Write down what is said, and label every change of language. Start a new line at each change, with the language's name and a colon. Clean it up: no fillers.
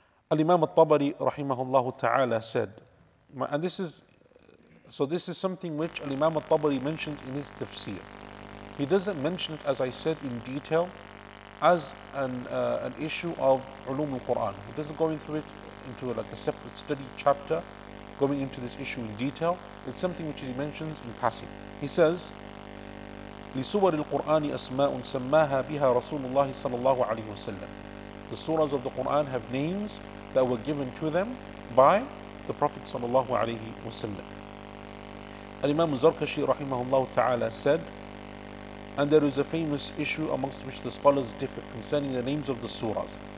English: Al-Imam al-Tabari rahimahullahu ta'ala said, and this is something which Al-Imam al-Tabari mentions in his tafsir. He doesn't mention it, as I said, in detail, as an issue of ulum al-Quran. He doesn't go through it into like a separate study chapter, going into this issue in detail. It's something which he mentions in passing. He says,
Arabic: لِسُوَرِ الْقُرْآنِ أَسْمَاءٌ سَمَّاهَا بِهَا رَسُولُ اللَّهِ صَلَى اللَّهُ عَلَيْهُ وَسَلَّمُ.
English: The surahs of the Quran have names that were given to them by the Prophet صلى الله عليه وسلم. Al-Imam Zarkashi rahimahullah ta'ala said, and there is a famous issue amongst which the scholars differ concerning the names of the surahs.